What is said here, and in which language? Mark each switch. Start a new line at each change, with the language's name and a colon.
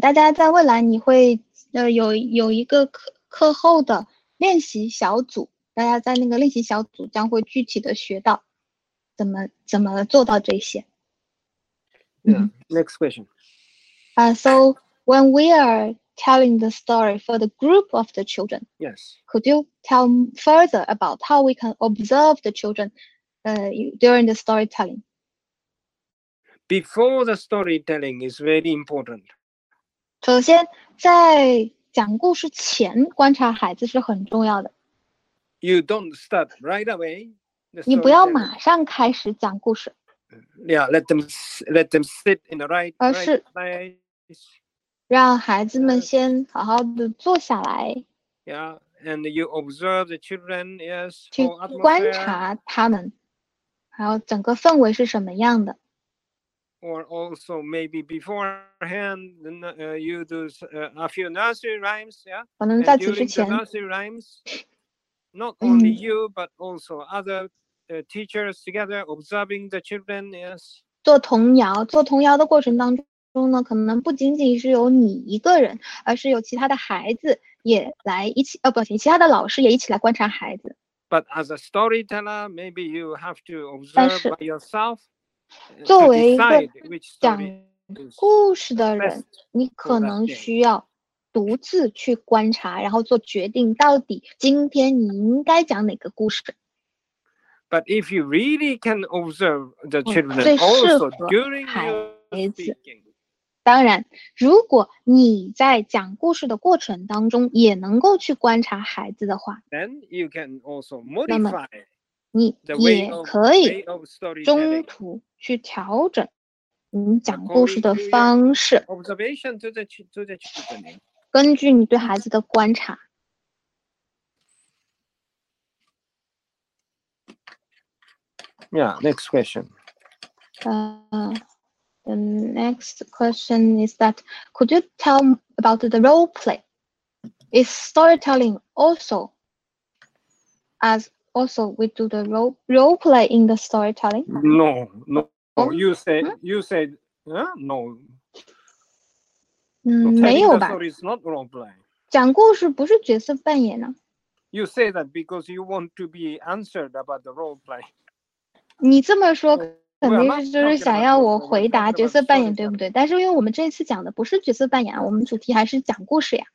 Chinese: 大家在未来你会有一个课后的练习小组，大家在那个练习小组将会具体的学到怎么做到这些。
English: Yeah, next question. So when we are telling the story for the group of the children, yes, could you tell further about how we can observe the children, during the storytelling? Before the storytelling is very important.
Chinese: 首先在讲故事前观察孩子是很重要的。
English: You don't start right away.
Chinese: 你不要马上开始讲故事。
English: Yeah, let them sit in the right place.
Chinese: 而是让孩子们先好好的坐下来。
English: Yeah, and you observe the children, yes.
Chinese: 去观察他们，还有整个氛围是什么样的。
English: Or also maybe beforehand, you do a few nursery rhymes, yeah.
Chinese: 可能在此之前
English: nursery rhymes, not only you but also other teachers together observing the children, yes.
Chinese: 做童谣的过程当中呢，可能不仅仅是有你一个人，而是有其他的孩子也来一起，其他的老师也一起来观察孩子。
English: But as a storyteller, maybe you have to observe by yourself.
Chinese: 作为一个讲故事的人，你可能需要独自去观察，然后做决定，到底今天你应该讲哪个故事。
English: But if you really can observe the children also during your speaking.
Chinese: 当然，如果你在讲故事的过程当中也能够去观察孩子的话，
English: then you can also modify the way of,
Chinese: 你也可以中途去调整你讲故事的方式，
English: observation to the children.
Chinese: 根据你对孩子的观察。
English: Yeah, next question. The next question is that, could you tell about the role play? Is storytelling also, as also we do the role play in the storytelling? No. You said no.
Chinese: 没有吧。
English: Story is not role play.
Chinese: 讲故事不是角色扮演呢。
English: You say that because you want to be answered about the role play.
Chinese: 你这么说肯定就是想要我回答角色扮演，对不对？但是因为我们这次讲的不是角色扮演，我们主题还是讲故事呀。